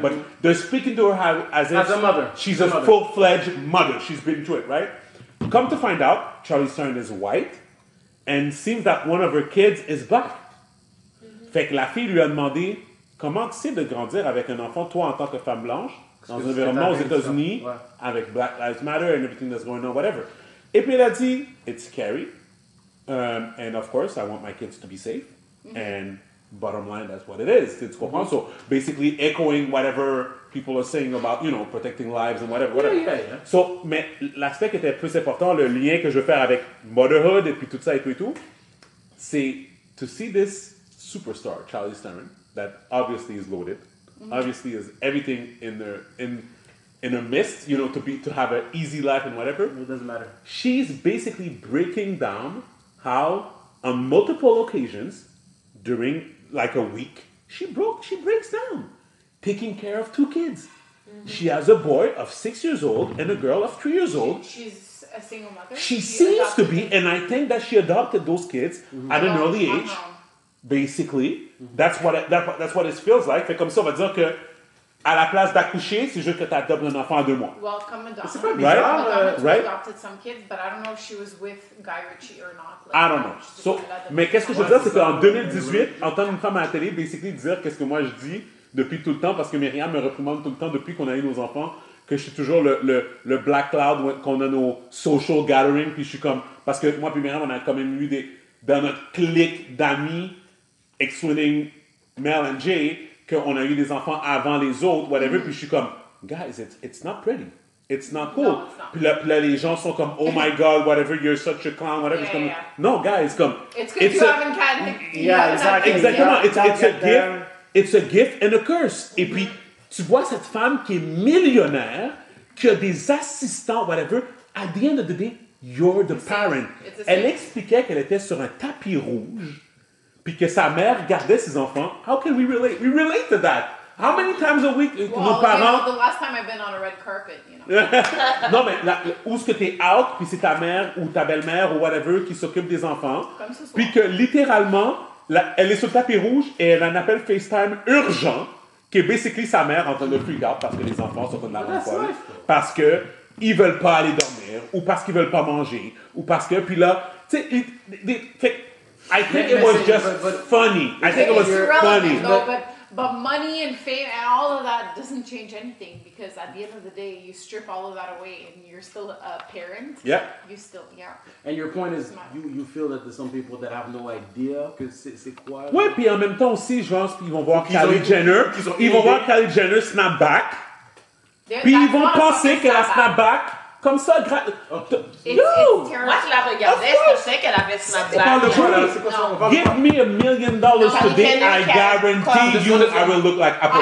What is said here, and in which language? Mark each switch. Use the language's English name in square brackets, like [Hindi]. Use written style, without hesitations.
[English] Mm-hmm. But they're speaking to her as if as a mother. She's as a mother. Full-fledged mother. She's been through it, right? Come to find out, Charlize Theron is white and seems that one of her kids is black. [French] Fait que la fille lui a demandé comment tu sais de grandir avec un enfant, toi en tant que femme blanche, dans un environnement aux États-Unis, ouais. [English] Avec Black Lives Matter and everything that's going on, whatever. [French] Et puis elle a dit, [English] it's scary. And of course, I want my kids to be safe. Mm-hmm. And bottom line, that's what it is. [French] Tu comprends? [English] Mm-hmm. So basically echoing whatever people are saying about, you know, protecting lives and whatever. Whatever. Yeah, yeah, yeah. [French] So, mais l'aspect qui était plus important, le lien que je veux faire avec motherhood et puis tout ça et tout, c'est [English] to see this superstar, Charlize Theron, that obviously is loaded, [French] mm-hmm. [English] obviously is everything in her midst, you know, to have an easy life and whatever. It doesn't matter. She's basically breaking down how, on multiple occasions, during like a week, she breaks down, taking care of two kids. Mm-hmm. She has a boy of 6 years old and a girl of 3 years old. She's a single mother. She seems to be, and I think that she adopted those kids mm-hmm. at an early age. Uh-huh. Basically, that's what it feels like. [French] Fait comme ça, on va dire que à la place d'accoucher, c'est juste que tu adoptes un enfant à 2 mois. [English] Welcome adoption. [French] C'est pas bizarre, right? Right? [English] Adopted some kids, but I don't know if she was with Guy Ritchie or not. Like, I don't know. [French] So, mais qu'est-ce que je veux dire, c'est qu'en 2018, entendre une femme à la télé, basically dire qu'est-ce que moi je dis depuis tout le temps, parce que Myriam me reprimande tout le temps depuis qu'on a eu nos enfants, que je suis toujours le black cloud qu'on a nos social gatherings, puis je suis comme, parce que moi puis Myriam, on a quand même eu des dans notre clique d'amis. [English] Excluding Mel and Jay, [French] qu'on a eu des enfants avant les autres, whatever. Mm-hmm. Puis je suis comme, [English] guys, it's not pretty. It's not cool. No, it's not. [French] Puis là, les gens sont comme, [English] oh my God, whatever, you're such a clown, [French] whatever. [English] Yeah, [French] comme, [English] yeah. No, guys, come. It's good you haven't had it. Yeah, exactly. Exactly. It's a gift and a curse. [French] Mm-hmm. Et puis, tu vois cette femme qui est millionnaire, qui a des assistants, whatever. [English] At the end of the day, you're the parent. [French] Elle expliquait qu'elle était sur un tapis rouge. Puis que sa mère gardait ses enfants. [English] How can we relate? We relate to that. How many times a week, well, [French] nos parents... [English] Well, the last time I've been on a red carpet, you know. [French] Non, mais là, où est-ce que t'es out, puis c'est ta mère ou ta belle-mère ou whatever qui s'occupe des enfants. Comme ce soir. Puis que littéralement, là, elle est sur le tapis rouge et elle a un appel FaceTime urgent qui est basically sa mère en train de freak out parce que les enfants sont en train de l'avoir. Parce qu'ils veulent pas aller dormir ou parce qu'ils veulent pas manger ou parce que... Puis là, tu sais, fait... [English] I think it was just funny. I think it was funny. But money and fame and all of that doesn't change anything because at the end of the day, you strip all of that away and you're still a parent. Yeah. You still, yeah. And your point is, you feel that there's some people that have no idea [French] que c'est quoi. Ouais, puis en même temps aussi, je pense qu'ils vont voir Kylie Jenner. Ils vont voir Kylie Jenner snap back. Puis ils vont penser qu'elle a snap back. Comme ça, moi je la regardais, je sais qu'elle avait snapback. On parle de quoi là? [English] Give me $1 million today, I guarantee you I will look like Apollo.